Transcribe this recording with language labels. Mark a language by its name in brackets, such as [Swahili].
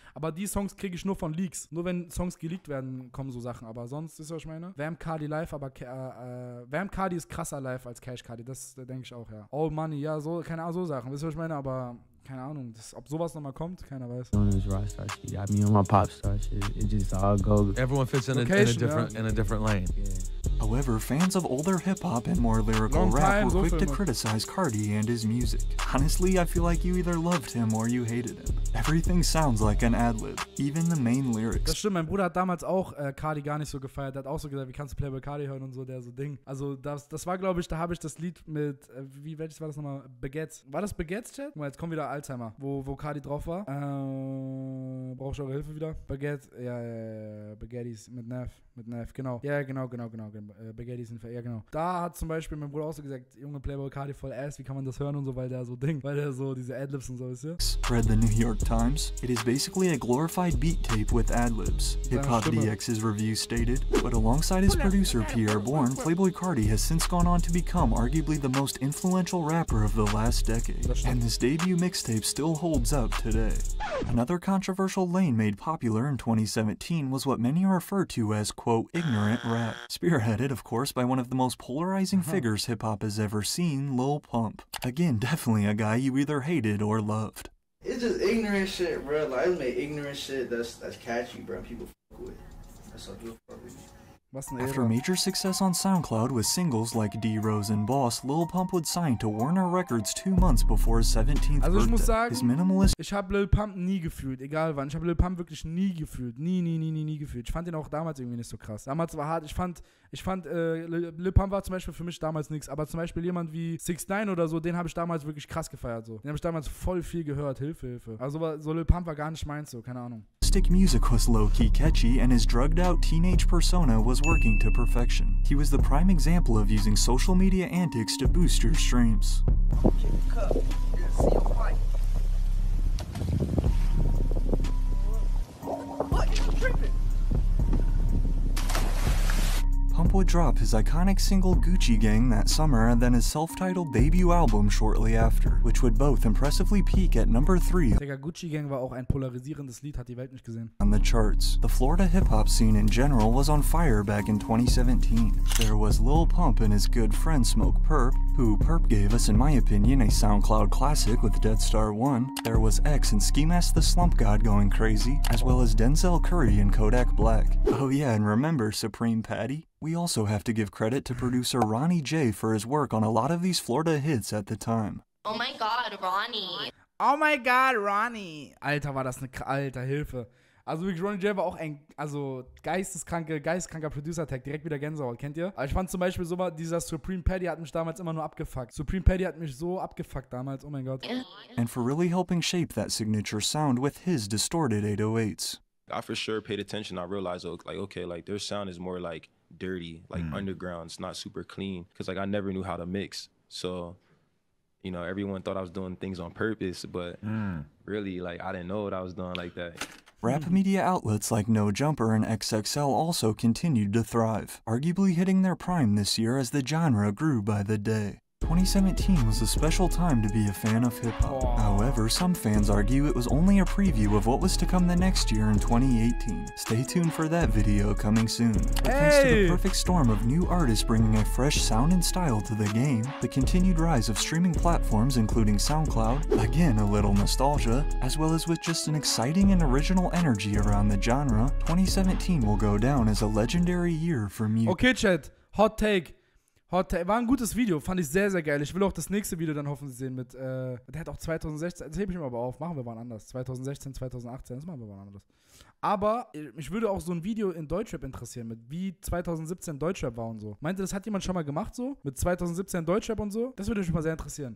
[German] Aber die Songs kriege ich nur von Leaks. Nur wenn Songs geleakt werden, kommen so Sachen. Aber sonst, wisst ihr, was ich meine? Vamp Cardi live, aber Vamp Cardi ist krasser live als Cash Cardi. Das denke ich auch, ja. All Money, ja, so, keine Ahnung, so Sachen. Wisst ihr, was ich meine? Aber, keine Ahnung, das, ob sowas nochmal kommt, keiner weiß. [English] Everyone fits in a different lane. Yeah. However, fans of older hip-hop and more lyrical rap were quick to criticize Cardi and his music. Honestly, I feel like you either loved him or you hated him. Everything sounds like an ad-lib, even the main lyrics. [German] Das stimmt, mein Bruder hat damals auch Cardi gar nicht so gefeiert. Der hat auch so gesagt, wie kannst du Playboy Cardi hören und so, der so Ding. Also das war, glaube ich, da habe ich das Lied mit, welches war das nochmal? Baguettes. War das Baguettes, Chat? Guck mal, jetzt kommt wieder Alzheimer, wo Cardi drauf war. Brauch ich eure Hilfe wieder? Baguettes, ja, Baguettes mit Nerf. Mit Knife, genau. Ja, genau. Baguettes sind ja, genau. Da hat zum Beispiel mein Bruder auch so gesagt, junge Playboy Cardi voll ass, wie kann man das hören und so, weil der so Ding, weil der so diese Adlibs und so ist, ja. [English] Spread the New York Times. It is basically a glorified beat tape with Adlibs. Hip Hop DX's review stated, but alongside his producer Pierre Bourne, Playboy Cardi has since gone on to become arguably the most influential rapper of the last decade. And this debut mixtape still holds up today. Another controversial lane made popular in 2017 was what many refer to as quote, ignorant rap. Spearheaded, of course, by one of the most polarizing figures hip-hop has ever seen, Lil Pump. Again, definitely a guy you either hated or loved. It's just ignorant shit, bro. Like, I made ignorant shit that's catchy, bro. People fuck with it. That's all people fuck with it. After major success on SoundCloud with singles like D Rose and Boss, Lil Pump would sign to Warner Records 2 months before his 17th [German] also [English] birthday. [German] Also ich muss sagen, ich habe Lil Pump nie gefühlt, egal wann. Ich habe Lil Pump wirklich nie gefühlt, nie gefühlt. Ich fand ihn auch damals irgendwie nicht so krass. Damals war hart. Ich fand Lil Pump war zum Beispiel für mich damals nichts. Aber zum Beispiel jemand wie 6ix9ine oder so, den habe ich damals wirklich krass gefeiert. So, den habe ich damals voll viel gehört. Hilfe. Also so Lil Pump war gar nicht meins. So, keine Ahnung. [English] Music was low-key catchy, and his drugged-out teenage persona was working to perfection. He was the prime example of using social media antics to boost your streams. What? You tripping? KOMMT would drop his iconic single Gucci Gang that summer and then his self-titled debut album shortly after, which would both impressively peak at number 3. [German] Digga, Gucci Gang war auch ein polarisierendes Lied, hat die Welt nicht gesehen. [English] On the charts, the Florida hip-hop scene in general was on fire back in 2017. There was Lil Pump and his good friend Smoke Perp, who Perp gave us, in my opinion, a SoundCloud classic with Death Star 1. There was X and Ski Mask the Slump God going crazy, as well as Denzel Curry and Kodak Black. Oh yeah, and remember Supreme Patty? We also have to give credit to producer Ronnie J for his work on a lot of these Florida hits at the time. Oh my god, Ronnie. Oh my god, Ronnie. [German] Alter, war das eine alter Hilfe. Also wirklich, Ronnie J war auch ein, also geisteskranker Producer-Tag, direkt wieder Gänsehaut, kennt ihr? Aber ich fand zum Beispiel so mal, dieser Supreme Paddy hat mich damals immer nur abgefuckt. Supreme Paddy hat mich so abgefuckt damals, oh mein Gott. [English] And for really helping shape that signature sound with his distorted 808s. I for sure paid attention, I realized, like, okay, like, their sound is more, like, dirty, like, underground, it's not super clean, because, like, I never knew how to mix, so, you know, everyone thought I was doing things on purpose, but really, like, I didn't know what I was doing like that. Rap media outlets like No Jumper and XXL also continued to thrive, arguably hitting their prime this year as the genre grew by the day. 2017 was a special time to be a fan of hip-hop. However, some fans argue it was only a preview of what was to come the next year in 2018. Stay tuned for that video coming soon. Hey! Thanks to the perfect storm of new artists bringing a fresh sound and style to the game, the continued rise of streaming platforms including SoundCloud, again a little nostalgia, as well as with just an exciting and original energy around the genre, 2017 will go down as a legendary year for music. Okay, Chat, hot take. [German] War ein gutes Video, fand ich sehr, sehr geil. Ich will auch das nächste Video dann hoffentlich sehen mit, der hat auch 2016, das hebe ich mir aber auf, machen wir mal anders. 2016, 2018, das machen wir mal anders. Aber mich würde auch so ein Video in Deutschrap interessieren, mit wie 2017 Deutschrap war und so. Meint ihr, das hat jemand schon mal gemacht so, mit 2017 Deutschrap und so? Das würde mich mal sehr interessieren.